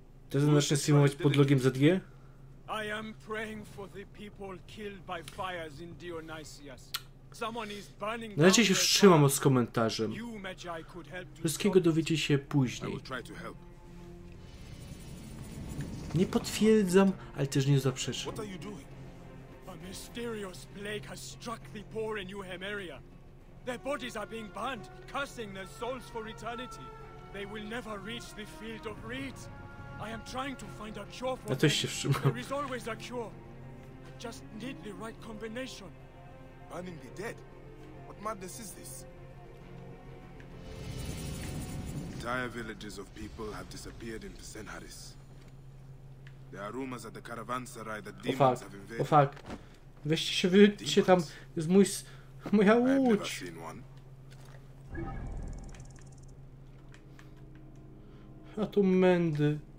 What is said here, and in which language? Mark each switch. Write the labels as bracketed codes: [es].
[pl] To znaczy streamować pod logiem ZG? [en] I am praying for the people killed by fires in Dionysius. Someone is burning. Na razie się wstrzymam z komentarzem. Wszystkiego dowiecie się później. Nie potwierdzam, ale też nie zaprzeczam. What are you doing? A mysterious plague has struck the poor in Uhem area. Their bodies are being burned, cursing their souls for eternity. They will never reach the field of reeds. I am trying to find a cure for them. There is always a cure. Just need the right combination. Burning the dead? What madness is this? Entire villages of people have disappeared in Psenharis. There are rumors at the caravanserai that demons fuck have invaded. Oh fuck. [pl] Weźcie się, wyjdźcie tam. Jest mój... moja łódź. A tu mędy.